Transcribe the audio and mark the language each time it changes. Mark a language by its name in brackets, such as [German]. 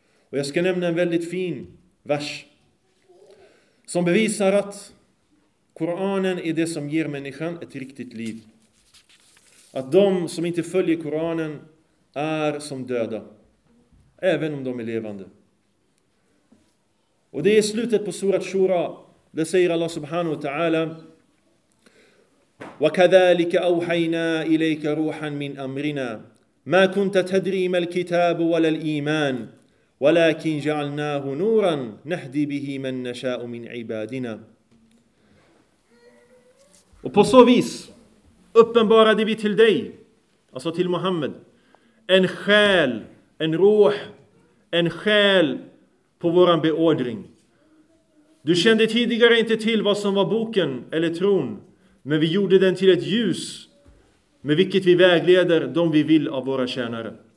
[Swedish] Och jag ska nämna en väldigt fin vers som bevisar att Koranen är det som ger människan ett riktigt liv. Att de som inte följer Koranen är som döda, även om de är levande. Och det är slutet på surat Shura. Det säger [Arabic] Allah subhanahu wa ta'ala: وَكَذَلِكَ أَوْحَيْنَا إِلَيْكَ رُوحًا مِنْ أَمْرِنَا مَا كُنْتَ تَدْرِي مَا الْكِتَابُ وَلَا الْإِيمَانُ وَلَكِنْ جَعَلْنَاهُ نُورًا نَهْدِي بِهِ مَنْ نَشَاءُ مِنْ عِبَادِنَا. [Swedish] Och på så vis uppenbarade vi till dig, alltså till Muhammed, en själ, en roh, en själ på våran beordring. Du kände tidigare inte till vad som var boken eller tron, men vi gjorde den till ett ljus med vilket vi vägleder de vi vill av våra tjänare.